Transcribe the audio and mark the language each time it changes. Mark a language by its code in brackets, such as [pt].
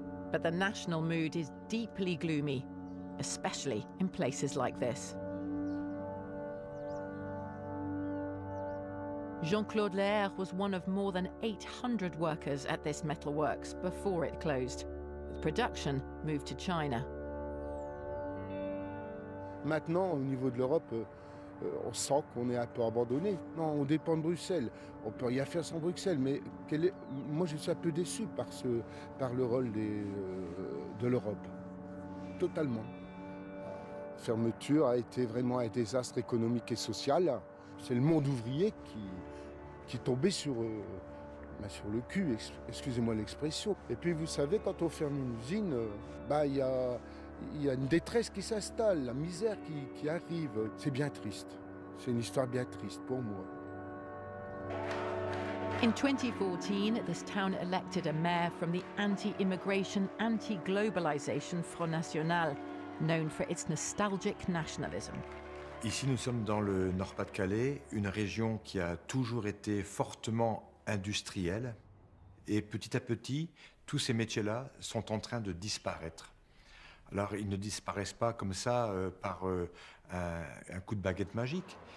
[en] But the national mood is deeply gloomy, especially in places like this. Jean-Claude Lair was one of more than 800 workers at this metalworks before it closed. The production moved to China. [fr] Maintenant, au niveau de l'Europe, on sent qu'on est un peu abandonné. Non, on dépend de Bruxelles. On peut rien faire sans Bruxelles. Mais quel est... moi, je suis un peu déçu par le rôle de l'Europe. Totalement. La fermeture a été vraiment un désastre économique et social. C'est le monde ouvrier qui est tombé sur le cul, excusez-moi l'expression. Et puis, vous savez, quand on ferme une usine, il y a une détresse qui s'installe, la misère qui arrive. C'est bien triste. C'est une histoire bien triste pour moi. [en] In 2014, this town elected a mayor from the anti-immigration, anti-globalization Front National, known for its nostalgic nationalism. [fr] Ici, nous sommes dans le Nord-Pas-de-Calais, une région qui a toujours été fortement industrielle. Et petit à petit, tous ces métiers-là sont en train de disparaître. Alors, ils ne disparaissent pas comme ça par un coup de baguette magique.